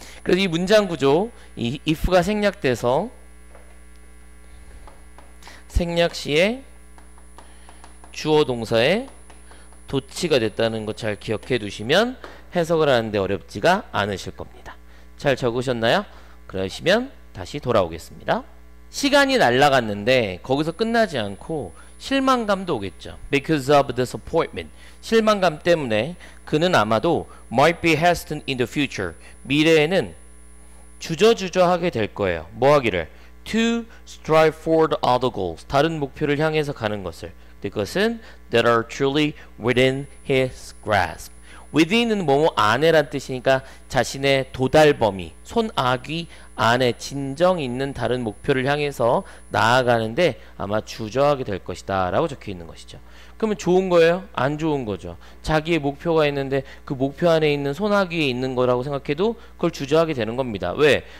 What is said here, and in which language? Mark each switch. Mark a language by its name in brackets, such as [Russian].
[Korean] 그래서 이 문장 구조, 이 if가 생략돼서 생략 시에 주어 동사에 도치가 됐다는 것 잘 기억해 두시면 해석을 하는데 어렵지가 않으실 겁니다. 잘 적으셨나요? 그러시면 다시 돌아오겠습니다. 시간이 날아갔는데 거기서 끝나지 않고 실망감도 오겠죠. [English] Because of disappointment, [Korean] 실망감 때문에 그는 아마도 [English] might be hesitant in the future, [Korean] 미래에는 주저주저하게 될 거예요. 뭐 하기를? [English] To strive for the other goals, [Korean] 다른 목표를 향해서 가는 것을. 그것은 [English] that are truly within his grasp, [Korean] Within은 뭐뭐 안에란 뜻이니까 자신의 도달 범위, 손아귀 안에 진정 있는 다른 목표를 향해서 나아가는데 아마 주저하게 될 것이다 라고 적혀 있는 것이죠. 그러면 좋은 거예요? 안 좋은 거죠. 자기의 목표가 있는데 그 목표 안에 있는 손아귀에 있는 거라고 생각해도 그걸 주저하게 되는 겁니다. 왜?